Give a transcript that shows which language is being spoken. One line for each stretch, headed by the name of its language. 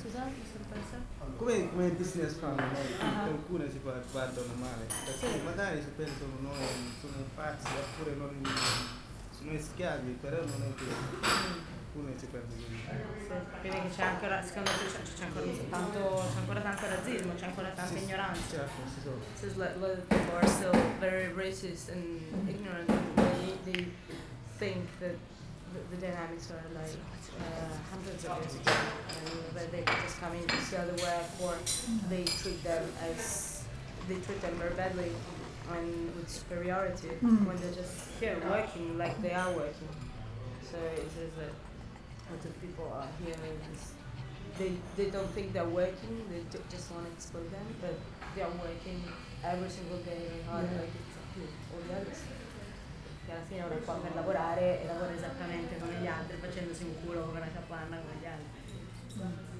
Italian: Cosa dici? Come business fanno, no? Alcune si guardano male. Perché sì. Magari si pensano noi sono pazzi oppure non sono schiavi, però non è così. Alcune si pensano così. Quindi c'è ancora, secondo te c'è ancora tanto razzismo, c'è ancora tanta ignoranza. Certo, si sono.
English: Since a lot of people are still very racist and ignorant, they think that the dynamics are like hundreds of years ago, but they just come in to see other way of work. They treat them very badly and with superiority when they're just here working like they are working. So it is that lots of people are here and they don't think they're working, they just want to exploit them, but they are working every single day hard, like all the others.
Italian: perché alla fine uno è qua per lavorare e lavora esattamente come gli altri, facendosi un culo con la capanna come gli altri.